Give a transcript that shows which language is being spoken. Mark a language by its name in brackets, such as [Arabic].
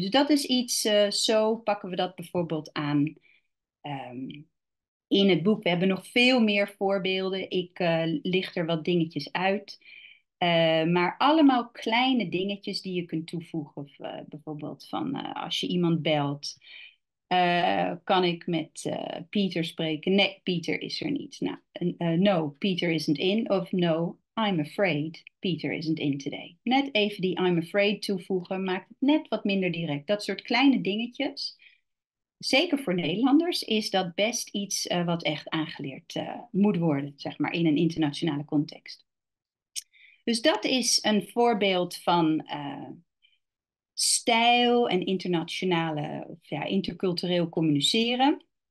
[Dutch] Dus dat is iets, zo pakken we dat bijvoorbeeld aan in het boek. We hebben nog veel meer voorbeelden. Ik licht er wat dingetjes uit. Maar allemaal kleine dingetjes die je kunt toevoegen. Bijvoorbeeld van als je iemand belt, kan ik met Pieter spreken? Nee, Pieter is er niet. Nou, [English] no, Pieter isn't in. Of no, I'm afraid Pieter isn't in today. [Dutch] Net even die I'm afraid toevoegen maakt het net wat minder direct. Dat soort kleine dingetjes, zeker voor Nederlanders, is dat best iets wat echt aangeleerd moet worden, zeg maar, in een internationale context. Dus dat is een voorbeeld van stijl en internationale, of ja, intercultureel communiceren.